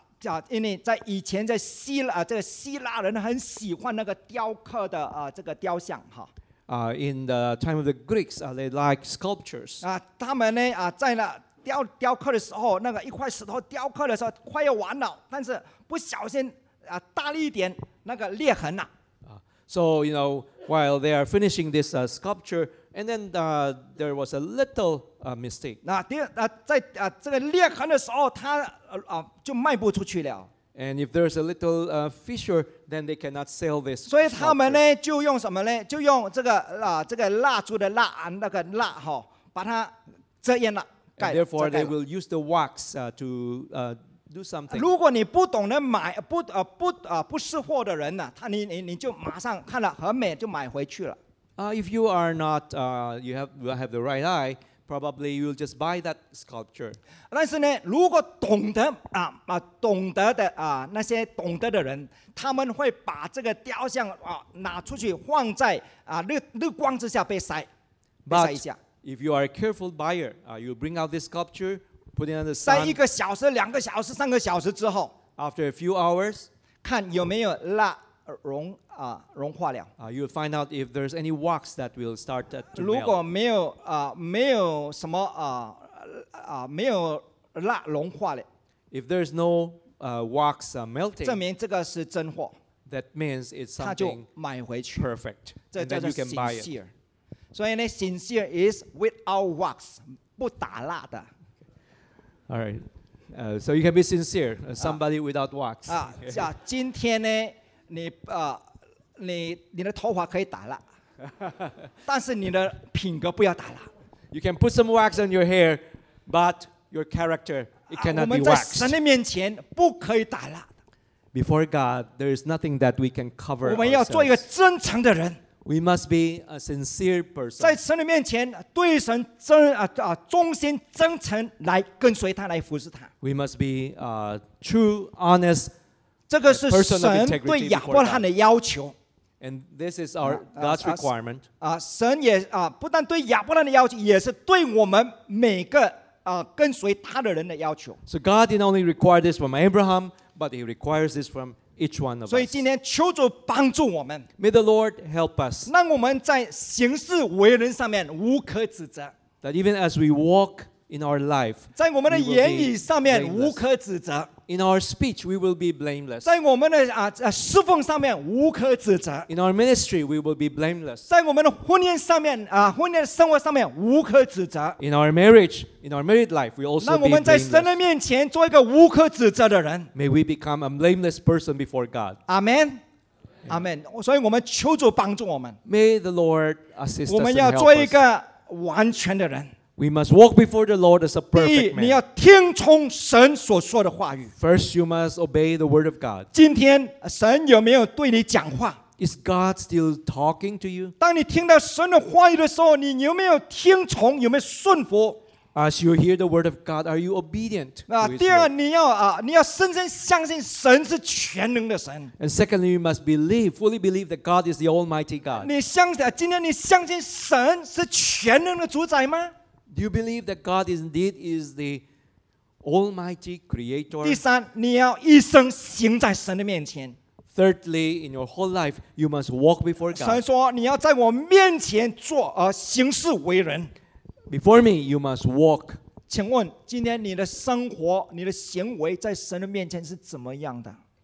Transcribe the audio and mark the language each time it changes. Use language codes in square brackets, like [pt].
[zh] 那因为在以前在希腊啊，这个希腊人很喜欢那个雕刻的啊，这个雕像哈。 [en] In the time of the Greeks, they like sculptures. [zh] 他们呢在那雕刻的时候，那个一块石头雕刻的时候快要完了，但是不小心大力一点，那个裂痕呐。 [en] So you know, while they are finishing this sculpture, and then there was a little mistake. [zh] 这个裂痕的时候，它就卖不出去了。 [en] And if there's a little fissure, then they cannot sell this. [zh] 所以他们呢就用什么呢？就用这个蜡烛的蜡啊，那个蜡哈，把它遮掩了，盖。 [en] Therefore, they will use the wax do something. [zh] 如果你不懂得买不识货的人呢，你就马上看了很美就买回去了。 [en] If you are not you have the right eye. Probably you'll just buy that sculpture. [zh] 但是呢，如果懂得的那些懂得的人，他们会把这个雕像拿出去放在日光之下被晒一下。 [en] If you are a careful buyer, you bring out this sculpture, put it on the sun. [zh] 在一个小时、两个小时、三个小时之后 [en] ，After a few hours, [zh] 看有没有蜡融化了。 [en] You'll find out if there's any wax that will start to melt. [zh] 如果没有什么没有蜡融化了。 [en] If there's no wax melting, [zh] 证明这个是真货。 [en] That means it's something [zh] 买回去 [en] perfect. [zh] 这叫做 sincere. 所以呢 ， [en] sincere is without wax, [zh] 不打蜡的。 [en] All right. So you can be sincere, somebody without wax. [zh] 今天呢？你的头发可以打蜡，但是你的品格不要打蜡。 [en] You can put some wax on your hair, but your character it cannot be waxed. [zh] 我们在神的面前不可以打蜡。 [en] Before God, there is nothing that we can cover. [zh] 我们要做一个真诚的人。 [en] We must be a sincere person. [zh] 在神的面前，对神真啊啊忠心真诚来跟随他，来服侍他。 [en] We must be a true, honest. [zh] 这个是神对亚伯拉罕的要求。 [en] And this is our God's requirement. [zh] 啊，神也啊，不但对亚伯拉罕的要求，也是对我们每个啊跟随他的人的要求。 [en] So God didn't only require this from Abraham. But he requires this from each one of us. [zh] 所以今天求主帮助我们。 [en] May the Lord help us. [zh] 让我们在行事为人上面无可指责。 [en] That even as we walk in our life, [zh] 在我们的言语上面无可指责。 [en] In our speech, we will be blameless. [zh] 在我们的侍奉上面无可指责。 [en] In our ministry, we will be blameless. [zh] 在我们的婚姻上面婚姻的生活上面无可指责。 [en] In our marriage, in our married life, we also be blameless. [zh] 让我们在神的面前做一个无可指责的人。 [en] May we become a blameless person before God. Amen. Amen. [zh] 所以我们求主帮助我们。 [en] May the Lord assist us and help us. [zh] 我们要做一个完全的人。 [en] We must walk before the Lord as a perfect man. [zh] 第一，你要听从神所说的话语。 [en] First, you must obey the word of God. [zh] 今天神有没有对你讲话？ [en] Is God still talking to you? [zh] 当你听到神的话语的时候，你有没有听从？有没有顺服？ [en] As you hear the word of God, are you obedient? [zh] 第二，你要深深相信神是全能的神。 [en] And secondly, you must believe, fully believe that God is the Almighty God. [zh] 今天你相信神是全能的主宰吗？ [en] Do you believe that God indeed is the Almighty Creator? [zh] 第三，你要一生行在神的面前。 [en] Thirdly, in your whole life, you must walk before God. [zh] 神说，你要在我面前做行事为人。 [en] Before me, you must walk. [zh] 请问，今天你的生活、你的行为在神的面前是怎么样的？